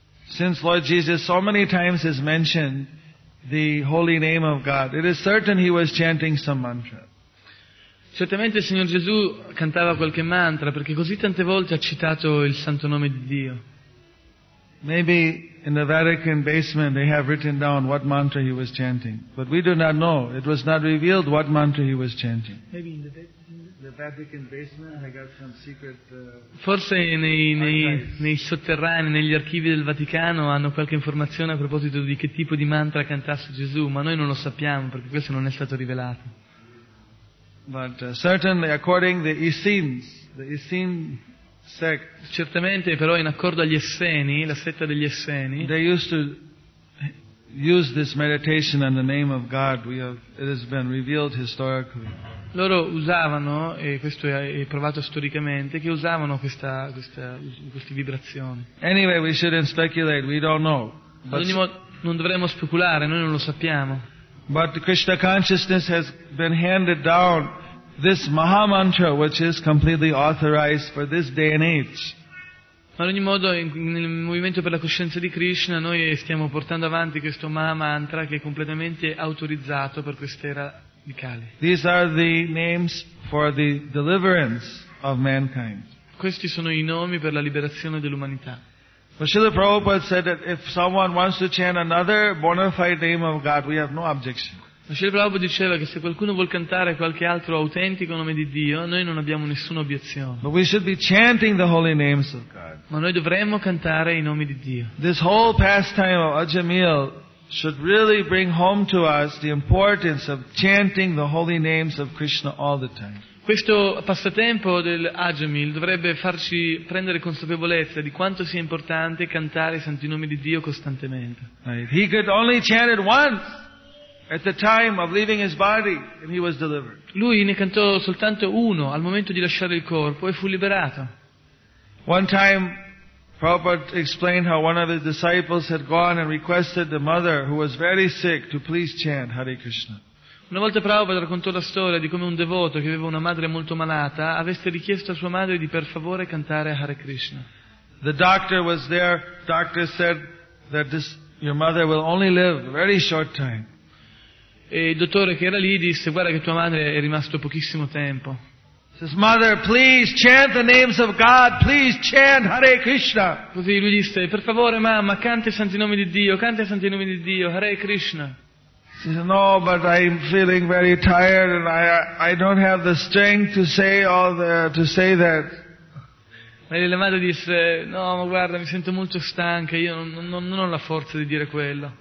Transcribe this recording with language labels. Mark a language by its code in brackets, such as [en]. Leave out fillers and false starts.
[en] Since Lord Jesus so many times has mentioned the holy name of God, it is certain he was chanting some mantra. [it] Certamente il Signor Gesù cantava qualche mantra perché così tante volte ha citato il santo nome di Dio. [en] Maybe in the Vatican basement they have written down what mantra he was chanting. But we do not know. It was not revealed what mantra he was chanting. Maybe in the Vatican basement I got some secret... [it] Forse nei sotterranei, negli archivi del Vaticano hanno qualche informazione a proposito di che tipo di mantra cantasse Gesù, ma noi non lo sappiamo perché questo non è stato rivelato. [en] But certainly according to the Essenes sect, [it] certamente però in accordo agli Esseni, la setta degli Esseni, [en] they used to use this meditation in the name of God. It has been revealed historically. [it] Loro usavano, e questo è provato storicamente, che usavano queste vibrazioni. [en] Anyway, we shouldn't speculate. We don't know. [it] Ad ogni modo, non dovremmo speculare, noi non lo sappiamo. [en] But Krishna consciousness has been handed down this Maha Mantra, which is completely authorized for this day and age. [it] Ma ad ogni modo, nel movimento per la coscienza di Krishna, noi stiamo portando avanti questo Maha Mantra che è completamente autorizzato per quest'era di Kali. [en] These are the names for the deliverance of mankind. [it] Questi sono i nomi per la liberazione dell'umanità. [en] But Srila Prabhupada said that if someone wants to chant another bona fide name of God, we have no objection. [it] Srila Prabhupada diceva che se qualcuno vuol cantare qualche altro autentico nome di Dio, noi non abbiamo nessuna obiezione. [en] But we should be chanting the holy names of God. [it] Ma noi dovremmo cantare i nomi di Dio. [en] This whole pastime of Ajameel should really bring home to us the importance of chanting the holy names of Krishna all the time. [it] Questo passatempo del Ajamil dovrebbe farci prendere consapevolezza di quanto sia importante cantare i santi nomi di Dio costantemente. [en] He could only chant it once at the time of leaving his body and he was delivered. [it] Lui ne cantò soltanto uno al momento di lasciare il corpo e fu liberato. [en] One time Prabhupada explained how one of his disciples had gone and requested the mother who was very sick to please chant Hare Krishna. [it] Una volta Prabhupada raccontò la storia di come un devoto che aveva una madre molto malata avesse richiesto a sua madre di per favore cantare Hare Krishna. [en] The doctor was there. The doctor said that your mother will only live a very short time. [it] E il dottore che era lì disse: guarda che tua madre è rimasto pochissimo tempo. [en] Says, mother, please chant the names of God. Please chant Hare Krishna. [it] Così lui disse: per favore mamma, canta i santi nomi di Dio, canta i santi nomi di Dio, Hare Krishna. [en] She said, no, but I'm feeling very tired and I don't have the strength to say that. [it] Ma la madre disse: no, ma guarda, mi sento molto stanca, io non ho la forza di dire quello.